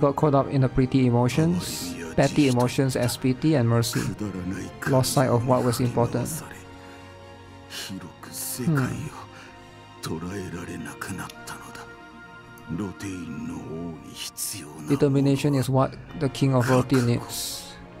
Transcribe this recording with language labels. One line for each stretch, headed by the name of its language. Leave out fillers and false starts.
English: He got caught up in the pretty emotions, petty emotions, SPT and mercy. Lost sight of what was important.
Japanese: 広く世界を捉えられなくなったのだ。
English: Determination is what the King of Rotei needs.